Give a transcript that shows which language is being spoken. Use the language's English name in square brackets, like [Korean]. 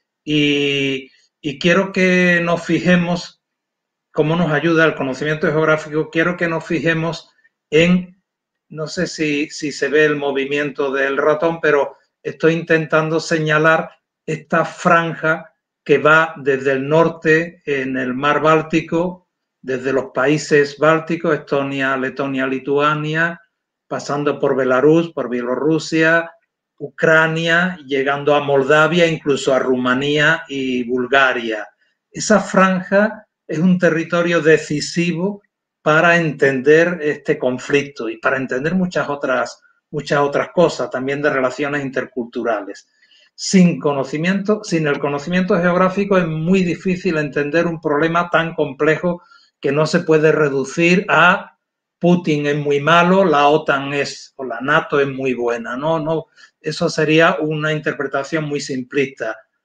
[Spanish] Y quiero que nos fijemos, cómo nos ayuda el conocimiento geográfico, quiero que nos fijemos en, no sé si se ve el movimiento del ratón, pero estoy intentando señalar esta franja que va desde el norte en el mar Báltico, desde los países bálticos, Estonia, Letonia, Lituania, pasando por Belarus, por Bielorrusia, [Portuguese] Ucrânia, chegando a Moldávia, incluso a Rumania e Bulgária. Essa franja é um território decisivo para entender este conflito e para entender muitas outras coisas, também de relações interculturais. [Spanish] Sin el conocimiento geográfico es muy difícil entender un problema tan complejo que no se puede reducir a Putin es muy malo, la OTAN es o la NATO es muy buena. No, eso sería una interpretación muy simplista.